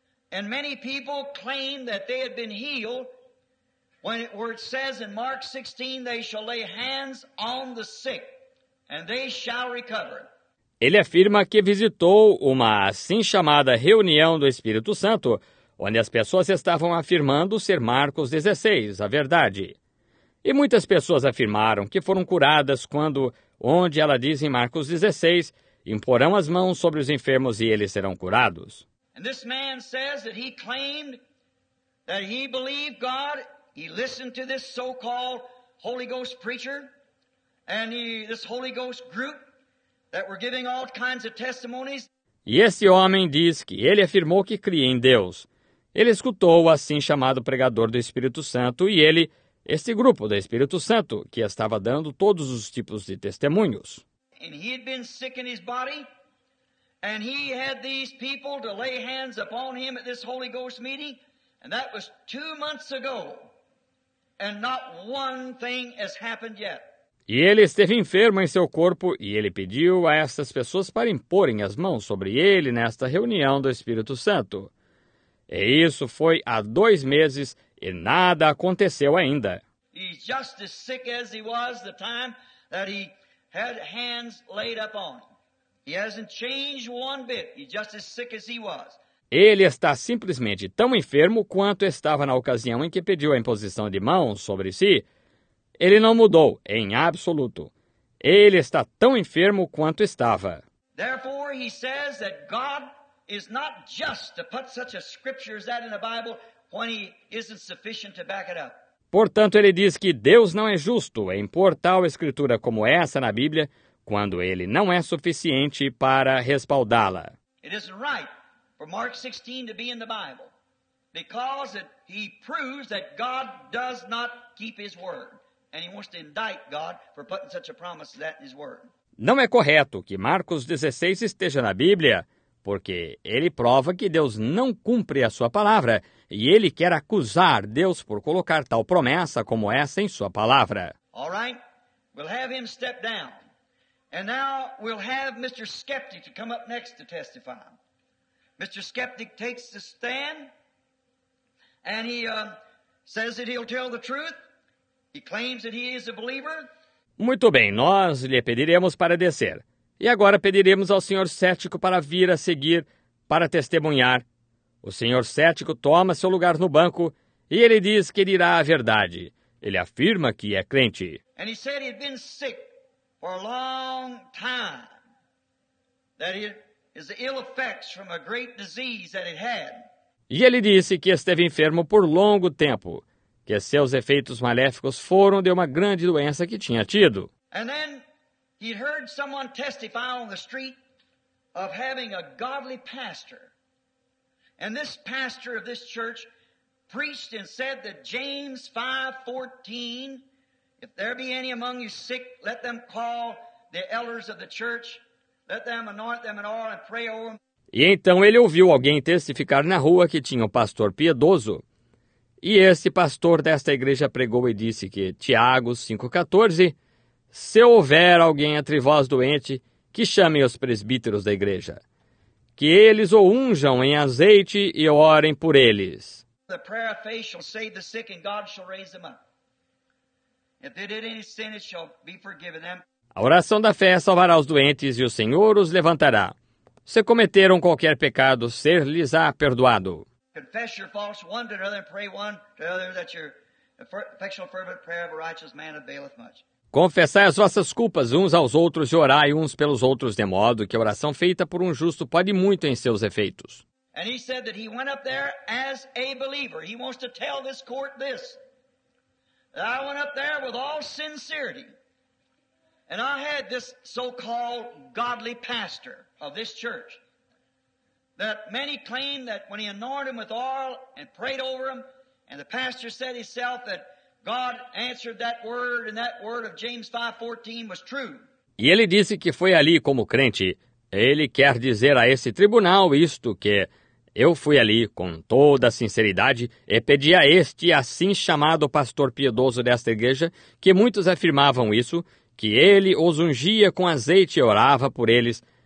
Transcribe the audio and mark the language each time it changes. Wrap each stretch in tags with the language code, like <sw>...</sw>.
<en>And many people claim that they had been healed when it, where it says in Mark 16, they shall lay hands on the sick and they shall recover.</en> <pt>Ele afirma que visitou uma assim chamada reunião do Espírito Santo, onde as pessoas estavam afirmando ser Marcos 16, a verdade. E muitas pessoas afirmaram que foram curadas quando, onde ela diz em Marcos 16, imporão as mãos sobre os enfermos e eles serão curados.</pt> <en>And this man says that he claimed that he believed God. He listened to this so-called Holy Ghost preacher and this Holy Ghost group that were giving all kinds of testimonies.</en> <pt>E esse homem diz que ele afirmou que cria em Deus. Ele escutou o assim chamado pregador do Espírito Santo e ele, este grupo do Espírito Santo, que estava dando todos os tipos de testemunhos.</pt> <en>And he had been sick in his body, and he had these people to lay hands upon him at this Holy Ghost meeting, and that was 2 months ago, and not one thing has happened yet.</en> <pt>E ele esteve enfermo em seu corpo e ele pediu a estas pessoas para imporem as mãos sobre ele nesta reunião do Espírito Santo. E isso foi há 2 meses e nada aconteceu ainda.</pt> <en>He's just as sick as he was the time that he had hands laid up on him. He hasn't changed one bit. He's just as sick as he was.</en> <pt>Ele está simplesmente tão enfermo quanto estava na ocasião em que pediu a imposição de mãos sobre si. Ele não mudou em absoluto. Ele está tão enfermo quanto estava.</pt> <en>Therefore, he says that God is not just to put such a scripture as that in the Bible when he isn't sufficient to back it up.</en> <pt>Portanto, ele diz que Deus não é justo em pôr tal escritura como essa na Bíblia quando ele não é suficiente para respaldá-la.</pt> <en>It isn't right for Mark 16 to be in the Bible because it, he proves that God does not keep his word. And he wants to indict God for putting such a promise as that in his word.</en> <pt>Não é correto que Marcos 16 esteja na Bíblia, porque ele prova que Deus não cumpre a sua palavra, e ele quer acusar Deus por colocar tal promessa como essa em sua palavra.</pt> <en>All right, we'll have him step down. And now we'll have Mr. Skeptic to come up next to testify. Mr. Skeptic takes the stand, and he says that he'll tell the truth. He claims that he is a believer.</en> <pt>Muito bem, nós lhe pediremos para descer. E agora pediremos ao senhor cético para vir a seguir, para testemunhar. O senhor cético toma seu lugar no banco e ele diz que dirá a verdade. Ele afirma que é crente.</pt> <en>And he said he had been sick for a long time. That it is the ill effects from a great disease that it had.</en> <pt>E ele disse que esteve enfermo por longo tempo. Que seus efeitos maléficos foram de uma grande doença que tinha tido.</pt> <en>And then he heard someone testify on the street of having a godly pastor. And this pastor of this church preached and said that James 5:14, if there be any among you sick, let them call the elders of the church, let them anoint them in oil and pray over them.</en> <pt>E então ele ouviu alguém testificar na rua que tinha um pastor piedoso. E esse pastor desta igreja pregou e disse que, Tiago 5,14, se houver alguém entre vós doente, que chame os presbíteros da igreja, que eles o unjam em azeite e orem por eles.</pt> <en>The prayer of faith shall save the sick and God shall raise them up. If they did any sin, it shall be forgiven them.</en> <pt>A oração da fé salvará os doentes e o Senhor os levantará. Se cometeram qualquer pecado, ser-lhes-á perdoado.</pt> <en>Confess your faults one to another and pray one to another that your effectual fervent prayer of a righteous man availeth much.</en> <pt>Confessai as vossas culpas uns aos outros e orai uns pelos outros de modo que a oração feita por um justo pode muito em seus efeitos.</pt> <en>And he said that he went up there as a believer. He wants to tell this court this. I went up there with all sincerity. And I had this so-called godly pastor of this church. that many claim that when he anointed him with oil and prayed over him, and the pastor said himself that God answered that word, and that word of James 5:14 was true.</en> <pt>E ele disse que foi ali como crente. Ele quer dizer a esse tribunal isto, que eu fui ali com toda a sinceridade e pedi a este assim chamado pastor piedoso desta igreja, que muitos afirmavam isso, que ele os ungia com azeite e orava por eles.</pt>